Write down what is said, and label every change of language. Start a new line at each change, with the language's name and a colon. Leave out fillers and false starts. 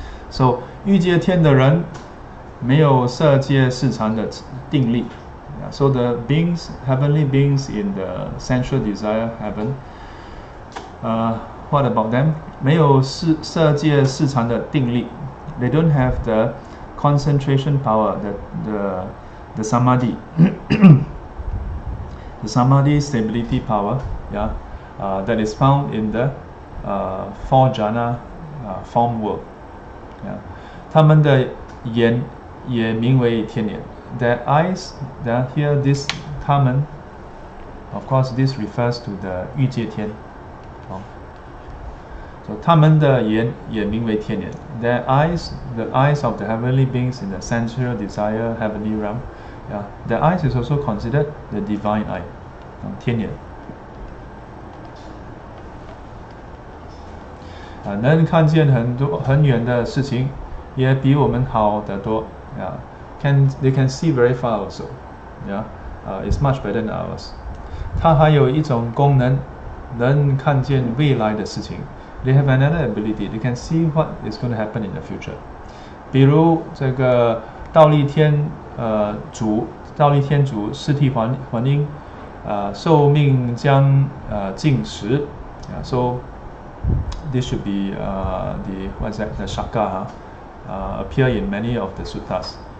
Chinese: So 欲界天的人没有色界世缠的定力.
English: So the beings, heavenly beings in the sensual desire heaven, what about them?
Chinese: 没有色界世缠的定力.
English: They don't have the concentration power, the samadhi, the samadhi stability power, yeah, that is found in the four jhana form world.
Chinese: Yeah. 他们的眼也名为天眼.
English: Their eyes, they hear this 他们, of course this refers to the 欲界天.
Chinese: So 他们的眼也名为天眼.
English: Their eyes, the eyes of the heavenly beings in the sensual desire heavenly realm, yeah, their eyes is also considered the divine eye, 天眼.
Chinese: 能看见很多很远的事情, 也比我们好得多.
English: Yeah, they can see very far also. Yeah, it's much better than ours.
Chinese: 它还有一种功能, 能看见未来的事情.
English: They have another ability. They can see what is going to happen in the future.
Chinese: 比如这个道立天主四谛梵音，寿命将近时.
English: Yeah, so this should be the, what's that, the Shaka, appear in many of the suttas.